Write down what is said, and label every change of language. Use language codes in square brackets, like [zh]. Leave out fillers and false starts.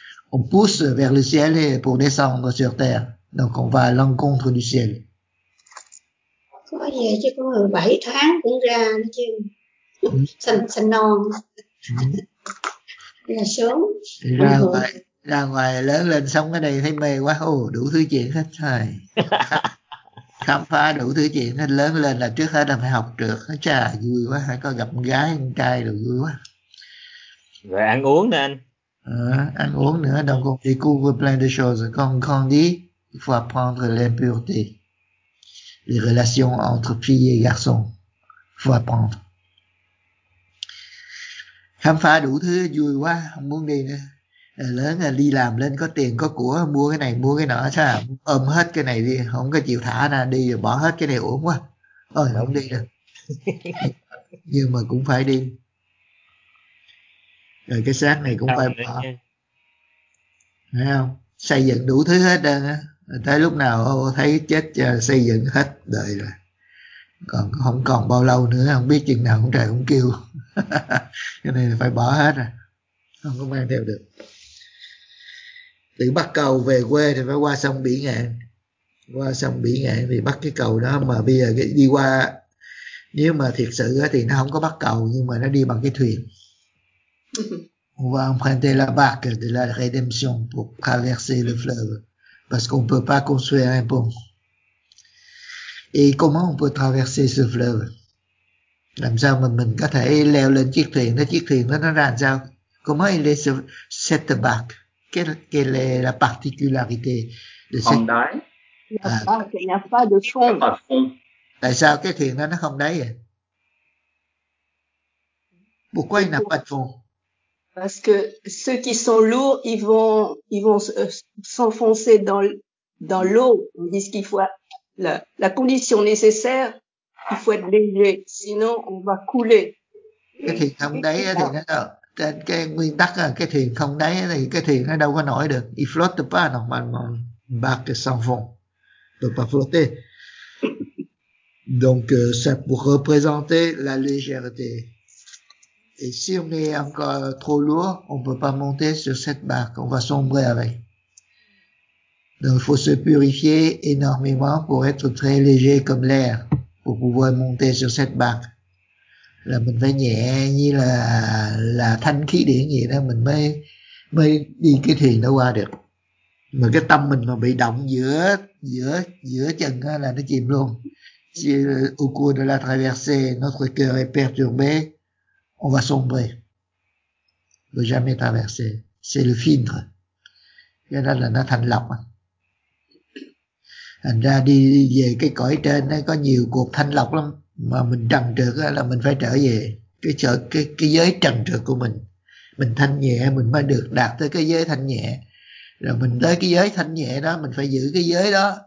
[fr] On pousse vers le ciel pour descendre sur terre. Donc on va à l'encontre du ciel. [vi] Có gì chứ, có 7 tháng cũng ra nữa chứ. Xanh non. Là sớm. Ra ngoài lớn lên sống ở đây thấy mê quá. Ồ, đủ thứ chuyện hết rồi. Khám phá đủ thứ chuyện hết. Lớn lên là trước hết là phải học trượt. Chà, vui quá. Hãy có gặp gái, con trai rồi vui quá. Rồi ăn uống nữa anh. Ăn uống nữa. [fr] Donc on découvre plein de choses. Quand on dit, il faut apprendre l'impureté. Les relations entre filles et garçons. Faut apprendre. [vi] Khám phá đủ thứ, vui quá, không muốn đi nữa. Lớn là đi làm lên có tiền, có của, mua cái này, mua cái nọ, sao ôm hết cái này đi, không có chịu thả ra đi, rồi bỏ hết cái này uổng quá. Ôi, không đi nữa. Nhưng mà cũng phải đi. Rồi cái xác này cũng phải bỏ. Thấy không? Xây dựng đủ thứ hết đơn á. Tới lúc nào thấy chết xây dựng hết đời rồi. Còn không còn bao lâu nữa, không biết chừng nào cũng trời cũng kêu. Cái này phải bỏ hết rồi. Không có mang theo được. Từ bắt cầu về quê thì phải qua sông Bỉ Ngạn. Qua sông Bỉ Ngạn thì bắt cái cầu đó. Mà bây giờ đi qua, nếu mà thiệt sự thì nó không có bắt cầu, nhưng mà nó đi bằng cái thuyền. [fr] On va emprunter la barque de la rédemption pour traverser le fleuve. Parce qu'on peut pas construire un pont. Et comment on peut traverser ce fleuve? [vi] Làm sao mà mình có thể leo lên chiếc thuyền? Đó, chiếc thuyền đó nó ra làm sao? [fr] Comment il est cette barque? Quelle est la particularité de cette barque? La barque, il n'y a pas de fond. [vi] Tại sao cái thuyền đó nó không đáy vậy? [fr] Pourquoi il n'y a pas de fond? Parce que ceux qui sont lourds, ils vont s'enfoncer dans l'eau. Ils disent qu'il faut la condition nécessaire, il faut être léger, sinon on va couler. [vi] Cái thuyền không đáy thì nó cái nguyên tắc là cái thuyền không đáy thì cái thuyền nó đâu có nổi được. [fr] Il flotte pas normalement, barque s'enfonce. de pas flotter. Donc, ça pour représenter la légèreté. Et si on est encore trop lourd, on peut pas monter sur cette barque. On va sombrer avec. Donc, il faut se purifier énormément pour être très léger comme l'air, pour pouvoir monter sur cette barque. [vi] Là, mình phải nhẹ như là thanh khí điện vậy đó, mình mới đi cái thuyền đó qua được. Mà cái tâm mình mà bị động giữa chân là nó chìm luôn. [fr] Si au cours de la traversée, notre cœur est perturbé, on va sombrer. On ne peut jamais traverser. C'est le filtre. [vi] Cái đó là nó thanh lọc. Thành ra đi về cái cõi trên nó có nhiều cuộc thanh lọc lắm. Mà mình trần trượt là mình phải trở về cái giới trần trượt của mình. Mình thanh nhẹ mình mới được đạt tới cái giới thanh nhẹ. Rồi mình tới cái giới thanh nhẹ đó, mình phải giữ cái giới đó.